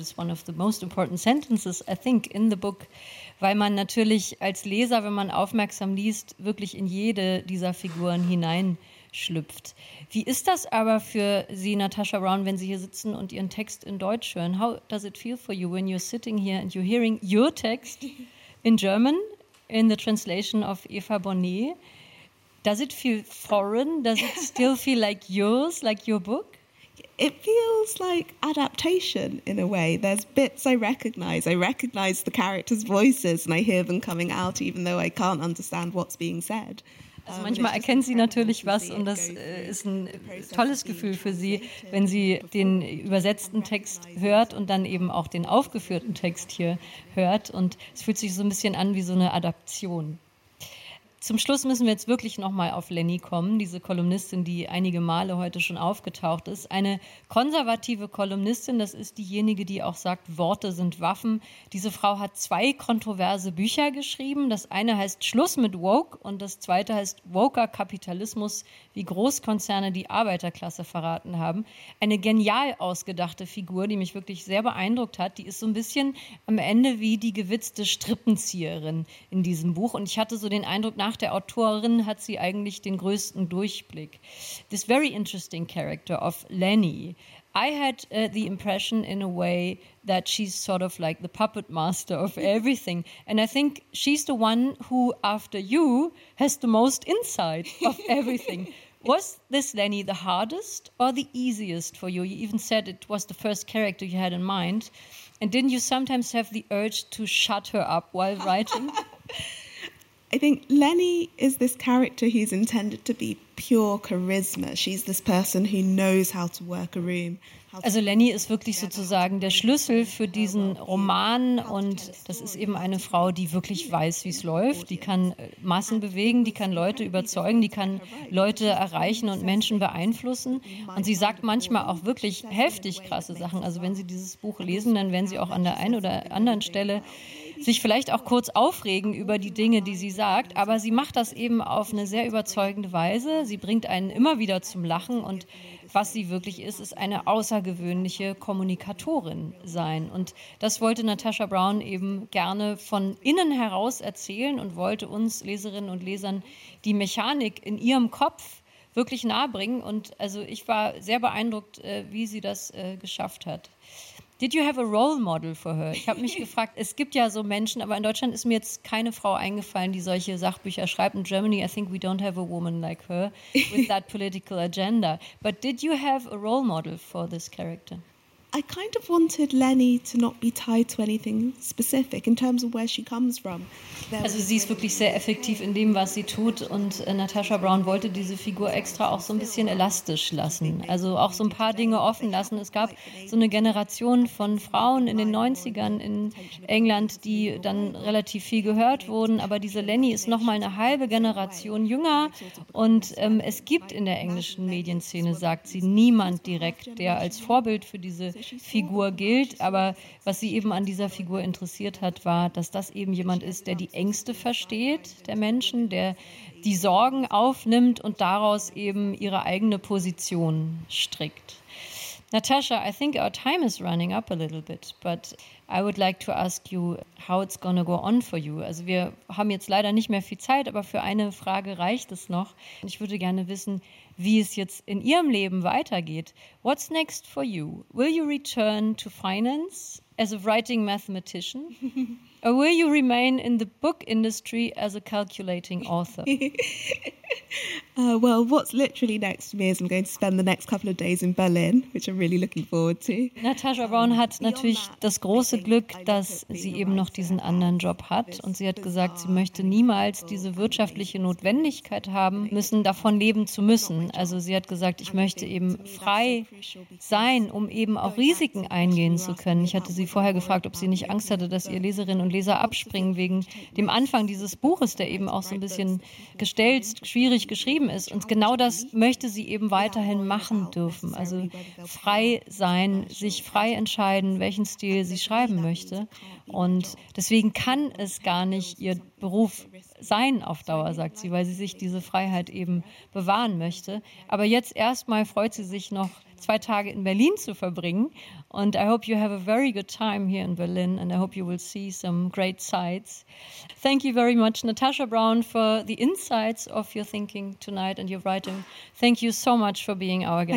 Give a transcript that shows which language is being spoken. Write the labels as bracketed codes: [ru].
[en] It's one of the most important sentences, I think, in the book. [de] Weil man natürlich als Leser, wenn man aufmerksam liest, wirklich in jede dieser Figuren hineinschlüpft. Wie ist das aber für Sie, Natasha Brown, wenn Sie hier sitzen und Ihren Text in Deutsch hören? [en] How does it feel for you when you're sitting here and you're hearing your text in German? In the translation of Eva Bonnet, does it feel foreign? Does it still feel like yours, like your book? It feels like adaptation in a way. There's bits I recognize. I recognize the characters' voices and I hear them coming out, even though I can't understand what's being said. [de] Also manchmal erkennen Sie natürlich was und das ist ein tolles Gefühl für Sie, wenn Sie den übersetzten Text hört und dann eben auch den aufgeführten Text hier hört. Und es fühlt sich so ein bisschen an wie so eine Adaption. Zum Schluss müssen wir jetzt wirklich nochmal auf Lenny kommen, diese Kolumnistin, die einige Male heute schon aufgetaucht ist. Eine konservative Kolumnistin, das ist diejenige, die auch sagt, Worte sind Waffen. Diese Frau hat zwei kontroverse Bücher geschrieben. Das eine heißt Schluss mit Woke und das zweite heißt Woker Kapitalismus, wie Großkonzerne die Arbeiterklasse verraten haben. Eine genial ausgedachte Figur, die mich wirklich sehr beeindruckt hat. Die ist so ein bisschen am Ende wie die gewitzte Strippenzieherin in diesem Buch. Und ich hatte so den Eindruck, nach der Autorin hat sie eigentlich den größten Durchblick. [en] This very interesting character of Lenny. I had the impression in a way that she's sort of like the puppet master of everything. And I think she's the one who, after you, has the most insight of everything. Was this Lenny the hardest or the easiest for you? You even said it was the first character you had in mind. And didn't you sometimes have the urge to shut her up while writing? I think Lenny is this character who's intended to be pure charisma. She's this person who knows how to work a room. [de] Also Lenny ist wirklich sozusagen der Schlüssel für diesen Roman und das ist eben eine Frau, die wirklich weiß, wie es läuft. Die kann Massen bewegen, die kann Leute überzeugen, die kann Leute erreichen und Menschen beeinflussen. Und sie sagt manchmal auch wirklich heftig krasse Sachen. Also wenn Sie dieses Buch lesen, dann werden Sie auch an der einen oder anderen Stelle sich vielleicht auch kurz aufregen über die Dinge, die sie sagt. Aber sie macht das eben auf eine sehr überzeugende Weise. Sie bringt einen immer wieder zum Lachen und was sie wirklich ist, ist eine außergewöhnliche Kommunikatorin sein. Und das wollte Natasha Brown eben gerne von innen heraus erzählen und wollte uns Leserinnen und Lesern die Mechanik in ihrem Kopf wirklich nahebringen. Und also ich war sehr beeindruckt, wie sie das geschafft hat. [en] Did you have a role model for her? [de] Ich habe mich gefragt, es gibt ja so Menschen, aber in Deutschland ist mir jetzt keine Frau eingefallen, die solche Sachbücher schreibt. [en] In Germany, I think we don't have a woman like her with that political agenda. But did you have a role model for this character? I kind of wanted Lenny to not be tied to anything specific in terms of where she comes from. [de] Also sie ist wirklich sehr effektiv in dem, was sie tut. Und Natasha Brown wollte diese Figur extra auch so ein bisschen elastisch lassen. Also auch so ein paar Dinge offen lassen. Es gab so eine Generation von Frauen in den 90ern in England, die dann relativ viel gehört wurden. Aber diese Lenny ist noch mal eine halbe Generation jünger. Und es gibt in der englischen Medienszene, sagt sie, niemand direkt, der als Vorbild für diese Figur gilt, aber was sie eben an dieser Figur interessiert hat, war, dass das eben jemand ist, der die Ängste versteht der Menschen, der die Sorgen aufnimmt und daraus eben ihre eigene Position strickt. [en] Natasha, I think our time is running up a little bit, but I would like to ask you how it's gonna go on for you. [de] Also wir haben jetzt leider nicht mehr viel Zeit, aber für eine Frage reicht es noch. Ich würde gerne wissen, wie es jetzt in Ihrem Leben weitergeht. [en] What's next for you? Will you return to finance as a writing mathematician? Or will you remain in the book industry as a calculating author? Well, what's literally next for me is I'm going to spend the next couple of days in Berlin, which I'm really looking forward to. [de] Natasha Brown hat natürlich das große Glück, dass sie eben noch diesen anderen Job hat. Und sie hat gesagt, sie möchte niemals diese wirtschaftliche Notwendigkeit haben müssen, davon leben zu müssen. Also sie hat gesagt, ich möchte eben frei sein, um eben auch Risiken eingehen zu können. Ich hatte sie vorher gefragt, ob sie nicht Angst hatte, dass ihr Leserinnen und Leser abspringen wegen dem Anfang dieses Buches, der eben auch so ein bisschen gestelzt, schwierig geschrieben ist. Und genau das möchte sie eben weiterhin machen dürfen. Also frei sein, sich frei entscheiden, welchen Stil sie schreiben möchte. Und deswegen kann es gar nicht ihr Beruf sein auf Dauer, sagt sie, weil sie sich diese Freiheit eben bewahren möchte. Aber jetzt erstmal freut sie sich noch, 2 Tage in Berlin zu verbringen. Und [en] I hope you have a very good time here in Berlin and I hope you will see some great sights. Thank you very much, Natasha Brown, for the insights of your thinking tonight and your writing. Thank you so much for being our guest.